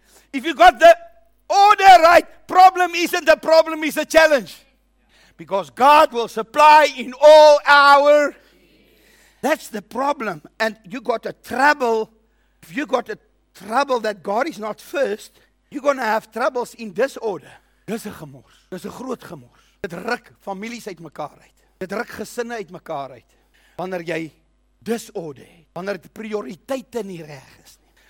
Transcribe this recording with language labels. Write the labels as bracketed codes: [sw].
[en] If you got the order right, problem isn't a problem, it's a challenge. Because God will supply in all our. That's the problem. And you got a trouble. If you got a trouble that God is not first, you're going to have troubles in disorder. [af] Dis 'n gemors. Dis 'n groot gemors. Dit ruk families uit mekaar uit. Dit ruk gesinne uit mekaar uit. Wanneer jy disorder het. Wanneer die prioriteite nie reg is nie.